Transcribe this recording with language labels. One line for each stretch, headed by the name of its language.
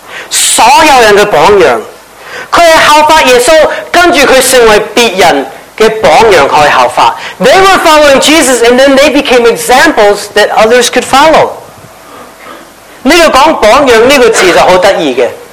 Chinese: 所有人的榜样, 他们效法耶稣, 根据他成为别人的榜样去效法.
English: They were following Jesus and then they became examples that others could follow.
Chinese: 这个讲榜样这个词就很有趣的。